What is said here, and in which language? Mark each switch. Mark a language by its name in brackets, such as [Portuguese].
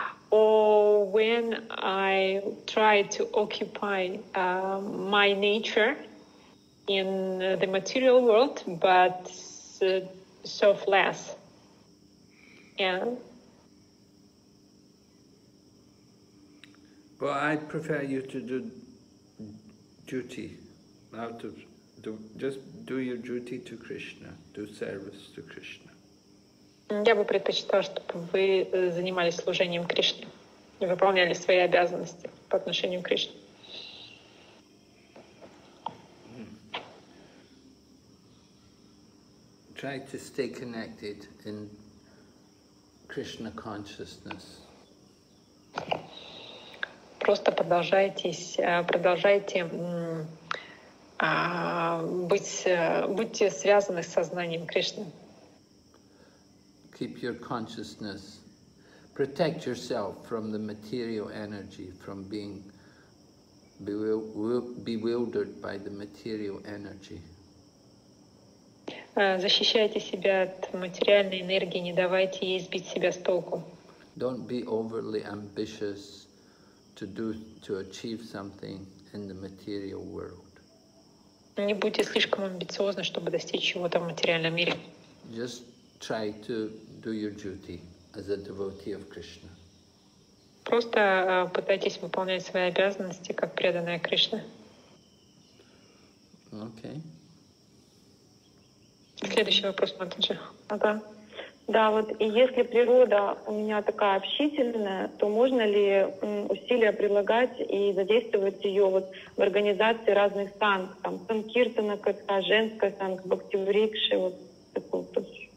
[English] Or when I try to occupy my nature in the material world, but selfless. Yeah. Well, I prefer you to do duty out of just do your duty to Krishna, do service to Krishna. [Russian] Я бы предпочитала, чтобы вы занимались служением Кришне и выполняли свои обязанности по отношению к Кришне. [English] Try to stay connected in Krishna consciousness. [Russian] Просто продолжайте будьте связаны с сознанием Кришны. [English] Keep your consciousness. Protect yourself from the material energy, from being bewildered by the material energy. [Russian] Защищайте себя от материальной энергии, не давайте ей сбить себя с толку. [English] Don't be overly ambitious to achieve something in the material world. [Russian] Не будьте слишком амбициозны, чтобы достичь чего-то в материальном мире. [English] Just try to do your duty as a devotee of Krishna. [Russian] Просто пытайтесь выполнять свои обязанности как преданная Кришне. [English] Okay. [Russian] Следующий вопрос, Матаджи. Ага. Да, вот и если природа у меня такая общительная, то можно ли усилия прилагать и задействовать ее вот в организации разных санг, там санкиртана, как-то женская санг, бхактиврикши, вот такой вот.